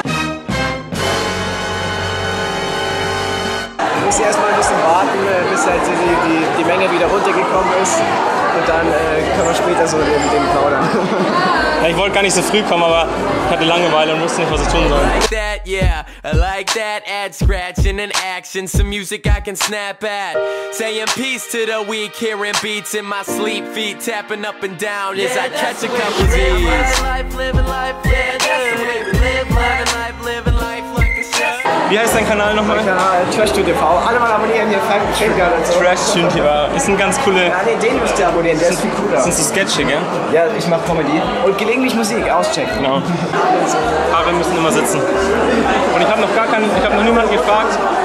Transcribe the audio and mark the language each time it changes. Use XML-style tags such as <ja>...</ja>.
<de>Ich muss erstmal ein bisschen warten, bis halt die Menge wieder runtergekommen ist. Und dann können wir später so den plaudern. Ja, ich wollte gar nicht so früh kommen, aber ich hatte Langeweile und wusste nicht, was ich tun soll.</de> <en>Yeah, I like that ad scratching and action. Some music I can snap at. Saying peace to the weak, hearing beats in my sleep. Feet tapping up and down as I catch a couple Z's. Living life, living life, yeah, that's the way we live. Living life like a chef.</en> <de>Wie heißt dein Kanal nochmal? Mein Kanal TrashTuneTV. Alle mal abonnieren hier, Franky-Trinker und so. TrashTuneTV. Ist ein ganz cooler. Ja, nee, den müsst ihr abonnieren, der ist viel cooler. Das sind so Sketche, gell? Ja, ich mach Comedy. Und gelegentlich Musik auschecken. Genau. Haare müssen immer sitzen. Und ich hab noch niemanden gefragt.</de>